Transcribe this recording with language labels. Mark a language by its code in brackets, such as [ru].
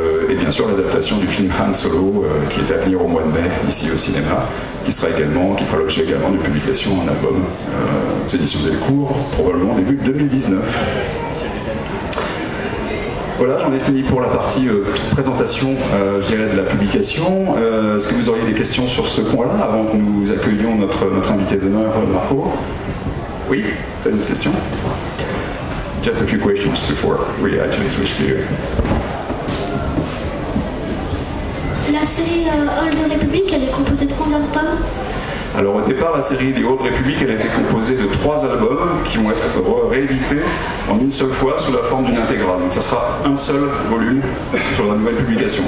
[fr] Et bien sûr l'adaptation du film Han Solo qui est à venir au mois de mai ici au cinéma, qui fera l'objet également d'une publication en album aux éditions Delcourt, probablement début 2019. Voilà, j'en ai fini pour la partie présentation, je dirais, de la publication. Est-ce que vous auriez des questions sur ce point-là avant que nous accueillions notre invité d'honneur, Marco? Oui, tu as une question? [en] Just a few questions before we actually switch to you. [fr] La série Old Republic, elle est composée de combien de tomes? Alors au départ, la série The Old Republic, elle a été composée de 3 albums qui vont être réédités en une seule fois sous la forme d'une intégrale. Donc ça sera un seul volume sur la nouvelle publication.